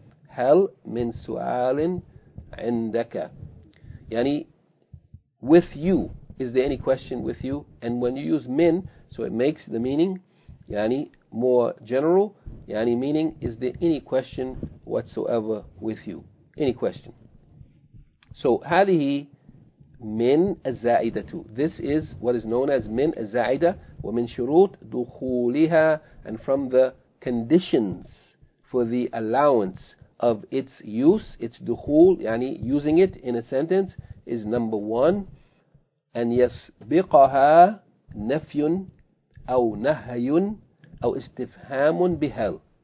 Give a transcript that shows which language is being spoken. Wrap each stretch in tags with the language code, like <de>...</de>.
<ar>Hal min su'alin indaka.</ar> <en>Yani, with you, is there any question with you? And when you use min, so it makes the meaning, yani, more general. Yani, meaning, is there any question whatsoever with you? Any question.</en> <ar>So, هذه من الزائدة.</ar> <en>This is what is known as</en> <ar>من الزائدة ومن شروط دخولها,</ar> <en>and from the conditions for the allowance of its use, its دخول, yani, using it in a sentence, is number one, and</en> <ar>يسبقها نفي أو نهي أو استفهام بهل.</ar>